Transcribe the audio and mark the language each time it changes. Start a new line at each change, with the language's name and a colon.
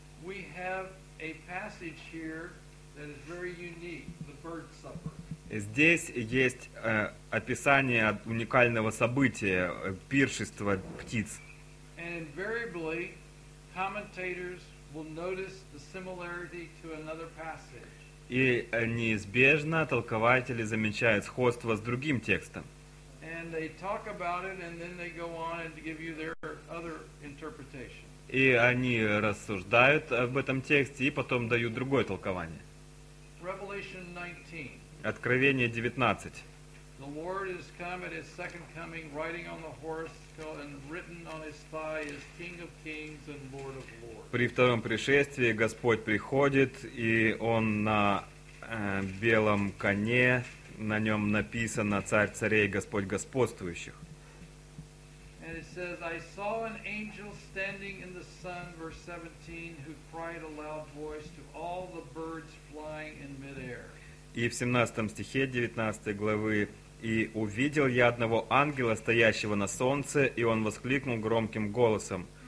English: we have a passage here that is very unique, the bird supper.
Russian: Здесь есть описание уникального события, пиршества птиц.
English: And invariably, commentators will notice the similarity to another passage.
Russian: И неизбежно толкователи замечают сходство с другим текстом.
English: And they talk about it, and then they go on and give you their other interpretation.
Russian: И они рассуждают об этом тексте, и потом дают другое толкование.
English: Revelation 19.
Russian: Откровение 19.
English: The Lord has come at his second coming, riding on the horse, and written on his thigh is King of Kings and Lord of Lords.
Russian: При втором пришествии Господь приходит, и он на белом коне, на нем написано Царь царей, Господь господствующих.
English: And it says, I saw an angel standing in the sun, verse 17, who cried a loud voice to all the birds flying in midair.
Russian: И в 17 стихе 19 главы «И увидел я одного ангела, стоящего на солнце, и он воскликнул громким голосом,